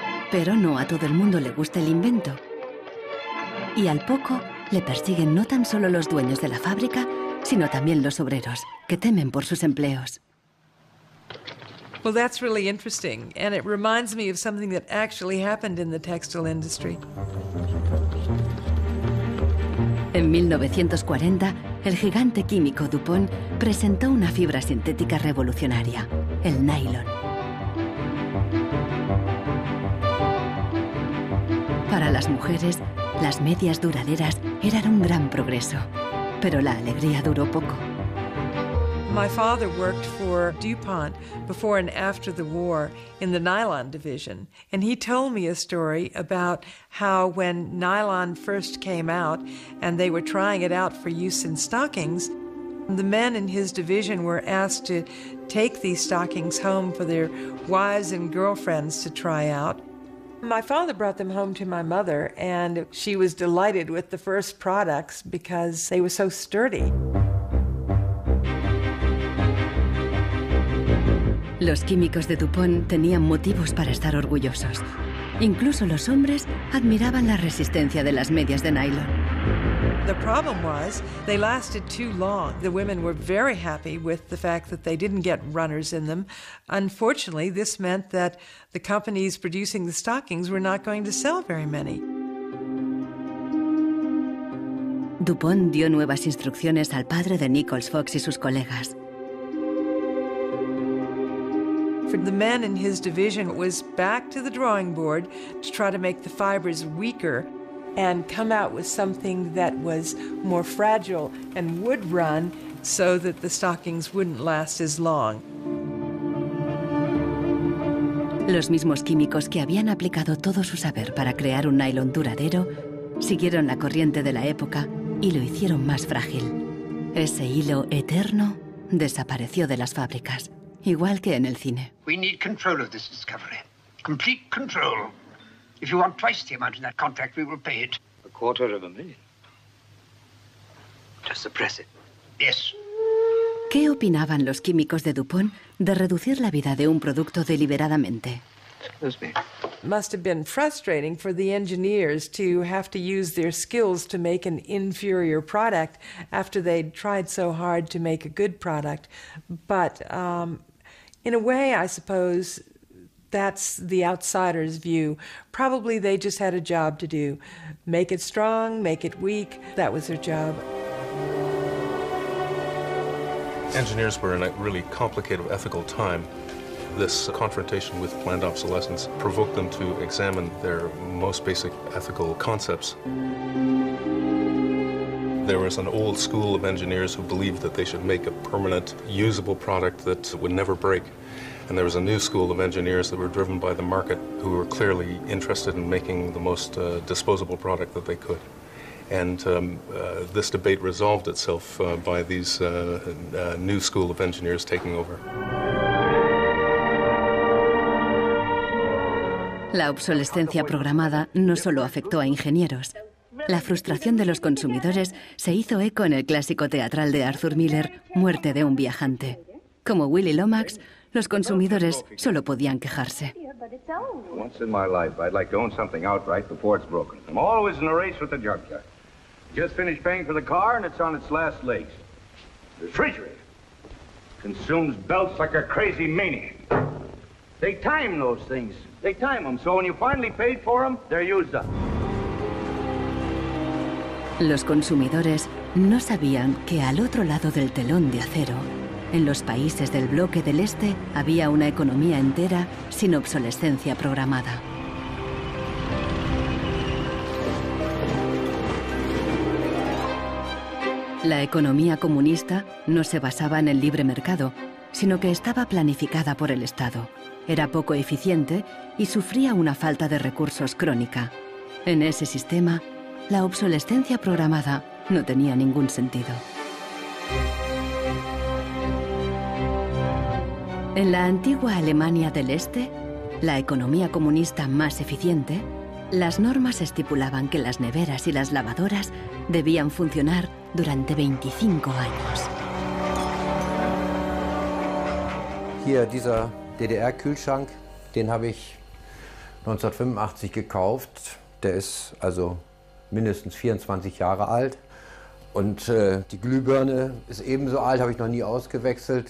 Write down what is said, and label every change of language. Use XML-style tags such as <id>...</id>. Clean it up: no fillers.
<es>Pero no a todo el mundo le gusta el invento. Y al poco le persiguen no tan solo los dueños de la fábrica, sino también los obreros, que temen por sus empleos.</es> <en>Well, that's really interesting, and it reminds me of something that actually happened in the textile industry.</en> <es>En 1940, el gigante químico DuPont presentó una fibra sintética revolucionaria, el nylon. Para las mujeres, las medias duraderas eran un gran progreso, pero la alegría duró poco.</es> <en>My father worked for DuPont before and after the war in the nylon division. And he told me a story about how when nylon first came out and they were trying it out for use in stockings, the men in his division were asked to take these stockings home for their wives and girlfriends to try out. My father brought them home to my mother, and she was delighted with the first products because they were so sturdy.</en> <es>Los químicos de DuPont tenían motivos para estar orgullosos. Incluso los hombres admiraban la resistencia de las medias de nylon.</es> <en>The problem was they lasted too long. The women were very happy with the fact that they didn't get runners in them. Unfortunately, this meant that the companies producing the stockings were not going to sell very many.</en> <es>DuPont dio nuevas instrucciones al padre de Nichols Fox y sus colegas.</es> <en>For the men in his division, it was back to the drawing board to try to make the fibers weaker and come out with something that was more fragile and would run so that the stockings wouldn't last as long.</en> <es>Los mismos químicos que habían aplicado todo su saber para crear un nylon duradero siguieron la corriente de la época y lo hicieron más frágil. Ese hilo eterno desapareció de las fábricas. Igual que en el cine.</es> <en>We need control of this discovery. Complete control. If you want twice the amount in that contract, we will pay it. A quarter of a million. To suppress it. Yes.</en> <es>¿Qué opinaban los químicos de DuPont de reducir la vida de un producto deliberadamente?</es> <en>Must have been frustrating for the engineers to have to use their skills to make an inferior product after they'd tried so hard to make a good product. But in a way, I suppose that's the outsider's view. Probably they just had a job to do. Make it strong, make it weak. That was their job. Engineers were in a really complicated ethical time. This confrontation with planned obsolescence provoked them to examine their most basic ethical concepts. There was an old school of engineers who believed that they should make a permanent, usable product that would never break. And there was a new school of engineers that were driven by the market, who were clearly interested in making the most disposable product that they could. And this debate resolved itself by these new school of engineers taking over.</en> <es>La obsolescencia programada no solo afectó a ingenieros. La frustración de los consumidores se hizo eco en el clásico teatral de Arthur Miller, Muerte de un viajante. Como Willy Lomax, los consumidores solo podían quejarse.</es> <en>Once in my life, I'd like to own something outright before it's broken. I'm always in a race with the junkyard. Just finished paying for the car and it's on its last legs. The refrigerator consumes belts like a crazy maniac. They time those things. They time them, so when you finally paid for them, they're used up.</en> <es>Los consumidores no sabían que al otro lado del telón de acero, en los países del bloque del este, había una economía entera sin obsolescencia programada. La economía comunista no se basaba en el libre mercado, sino que estaba planificada por el Estado. Era poco eficiente y sufría una falta de recursos crónica. En ese sistema, la obsolescencia programada no tenía ningún sentido. En la antigua Alemania del Este, la economía comunista más eficiente, las normas estipulaban que las neveras y las lavadoras debían funcionar durante 25 años.</es> <de>Hier dieser DDR-Kühlschrank, den habe ich 1985 gekauft. Der ist also mindestens 24 Jahre alt. Und die Glühbirne ist ebenso alt, habe ich noch nie ausgewechselt.</de>